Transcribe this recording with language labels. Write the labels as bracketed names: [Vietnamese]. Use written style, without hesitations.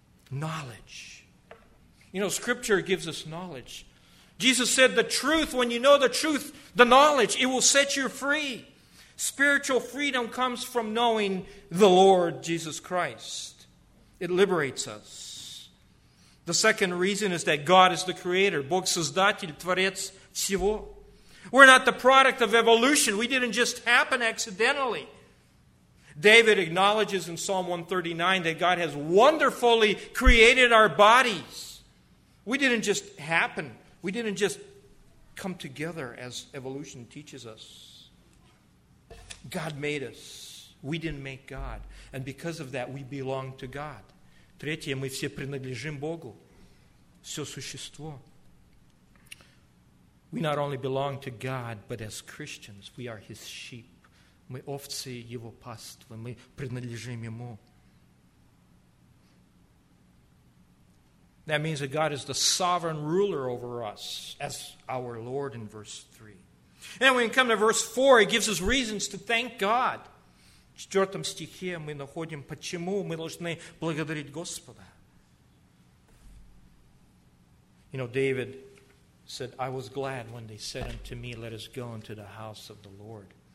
[English] Knowledge. You know, Scripture gives us knowledge. Jesus said, the truth, when you know the truth, the knowledge, it will set you free. Spiritual freedom comes from knowing the Lord Jesus Christ. It liberates us. The second reason is that God is the creator. [Russian] Бог создатель, творец всего. [English] We're not the product of evolution. We didn't just happen accidentally. David acknowledges in Psalm 139 that God has wonderfully created our bodies. We didn't just happen. We didn't just come together as evolution teaches us. God made us. We didn't make God. And because of that, we belong to God. [Russian] Третье, мы все принадлежим Богу. Все существо. [English] We not only belong to God, but as Christians, we are His sheep. [Russian] Мы овцы Его паствы. Мы принадлежим Ему. [English] That means that God is the sovereign ruler over us as our Lord in verse 3. And when we come to verse 4, it gives us reasons to thank God. [Russian] В четвертом стихе мы находим, почему мы должны благодарить Господа. [English] You know, David said, I was glad when they said unto me, let us go into the house of the Lord.